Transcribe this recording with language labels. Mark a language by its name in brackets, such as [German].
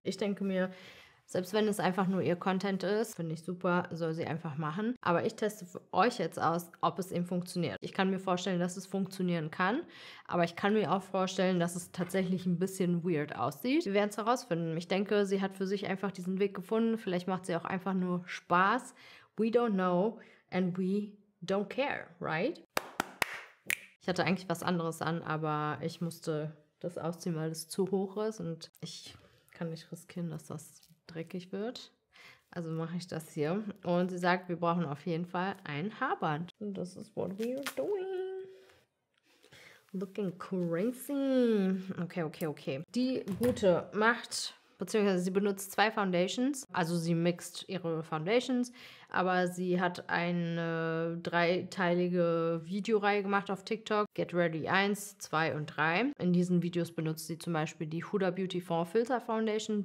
[German] Ich denke mir, selbst wenn es einfach nur ihr Content ist, finde ich super, soll sie einfach machen. Aber ich teste für euch jetzt aus, ob es eben funktioniert. Ich kann mir vorstellen, dass es funktionieren kann, aber ich kann mir auch vorstellen, dass es tatsächlich ein bisschen weird aussieht. Wir werden es herausfinden. Ich denke, sie hat für sich einfach diesen Weg gefunden. Vielleicht macht sie auch einfach nur Spaß. [English] We don't know and we don't care, right? [German] Ich hatte eigentlich was anderes an, aber ich musste das ausziehen, weil es zu hoch ist und ich kann nicht riskieren, dass das dreckig wird. Also mache ich das hier. Und sie sagt, wir brauchen auf jeden Fall ein Haarband. [English] And this is what we are doing. Looking crazy. Okay, okay, okay. [German] Die Gute macht, beziehungsweise sie benutzt zwei Foundations. Also sie mixt ihre Foundations. Aber sie hat eine dreiteilige Videoreihe gemacht auf TikTok. Get Ready 1, 2 und 3. In diesen Videos benutzt sie zum Beispiel die Huda Beauty 4 Filter Foundation.